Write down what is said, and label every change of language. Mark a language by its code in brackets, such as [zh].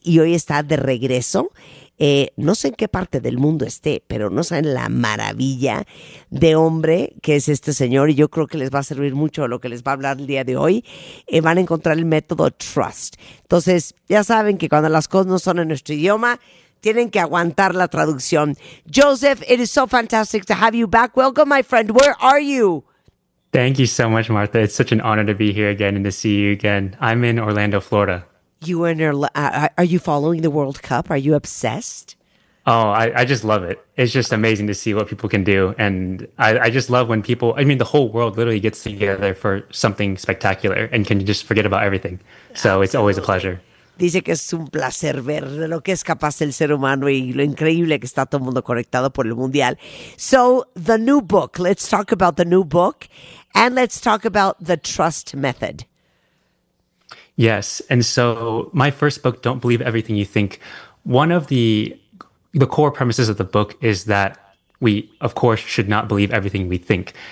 [es] Y hoy está de regreso. No sé en qué parte del mundo esté, pero no saben la maravilla de hombre que es este señor y yo creo que les va a servir mucho lo que les va a hablar el día de hoy. Van a encontrar el método Trust. Entonces, ya saben que cuando las cosas no son en nuestro idioma, tienen que aguantar la traducción. [en] Joseph, it is so fantastic to have you back. Welcome, my friend. Where are you? Thank you so much, Martha. It's such an honor to be here again and to see you again. I'm in Orlando, Florida. Are you following the World Cup? Are you obsessed? Oh, I just love it. It's just amazing to see what people can do. And I just love when people, I mean, the whole world literally gets together for something spectacular and can just forget about everything. So it's always a pleasure. [es] Dice que es un placer ver de lo que es capaz el ser humano y lo increíble que está todo el mundo conectado por el Mundial. [en] So, the new book, let's talk about the new book and let's talk about the trust method. Yes. And so my first book, Don't Believe Everything You Think, one of the core premises of the book is that we, of course, should not believe everything we think.